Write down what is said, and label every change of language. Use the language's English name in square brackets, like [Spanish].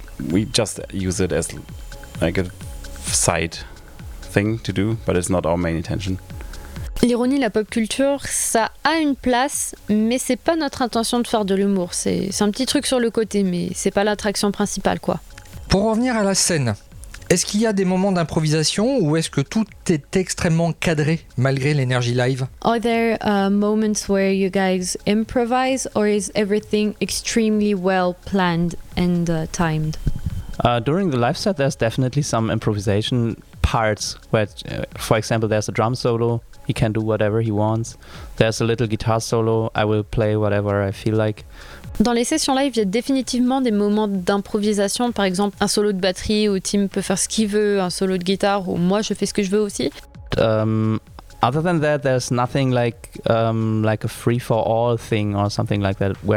[English] We just use it as like a side thing to do, but it's not our main intention. [French] L'ironie, la pop culture, ça a une place, mais c'est pas notre intention de faire de l'humour. C'est un petit truc sur le côté, mais c'est pas l'attraction principale, quoi. Pour revenir à la scène, est-ce qu'il y a des moments d'improvisation ou est-ce que tout est extrêmement cadré malgré l'énergie live? [English] Are there moments where you guys improvise or is everything extremely well planned and timed? During the live set, there's definitely some improvisation parts where, for example, there's a drum solo. He can do whatever he wants. There's a little guitar solo. I will play whatever I feel like. [French] Dans les sessions live, il y a définitivement des moments d'improvisation. Par exemple, un solo de batterie où Tim peut faire ce qu'il veut, un solo de guitare où moi je fais ce que je veux aussi. [English] Other than that, there's nothing like a free for all thing or something like that.